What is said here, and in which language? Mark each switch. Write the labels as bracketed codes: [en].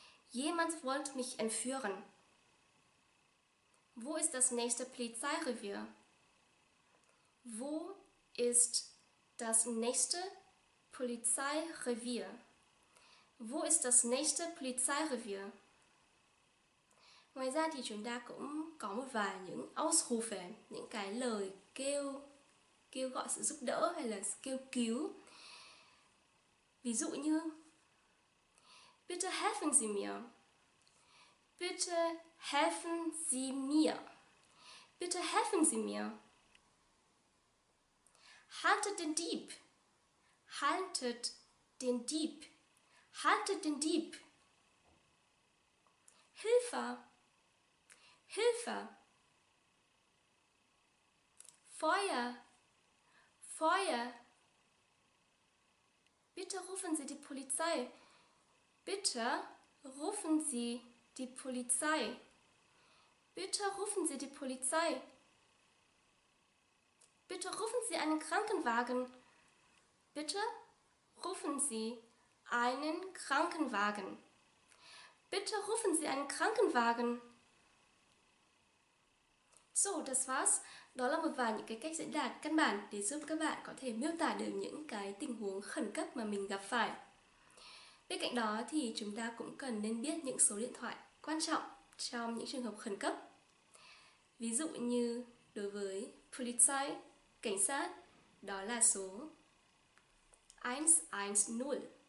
[de] Jemand wollte mich entführen. Wo ist das nächste Polizeirevier? Wo ist das nächste Polizeirevier? Wo ist das nächste Polizeirevier? [vi] Ngoài ra thì chúng ta cũng có một vài những Ausrufen, những cái lời kêu kêu gọi sự giúp đỡ hay là kêu cứu. Ví dụ như [de] Bitte helfen Sie mir. Bitte helfen Sie mir. Bitte helfen Sie mir. Haltet den Dieb. Haltet den Dieb. Haltet den Dieb. Hilfe. Hilfe. Feuer. Feuer. Bitte rufen Sie die Polizei. Bitte rufen Sie die Polizei. Bitte rufen Sie die Polizei. Bitte rufen Sie einen Krankenwagen. Bitte rufen Sie einen Krankenwagen. Bitte rufen Sie einen Krankenwagen. So, das war's. [vi] Đó là một vài những cái cách diễn đạt căn bản để giúp các bạn có thể miêu tả được những cái tình huống khẩn cấp mà mình gặp phải. Bên cạnh đó thì chúng ta cũng cần nên biết những số điện thoại quan trọng trong những trường hợp khẩn cấp. Ví dụ như đối với Polizei, cảnh sát, đó là số 110.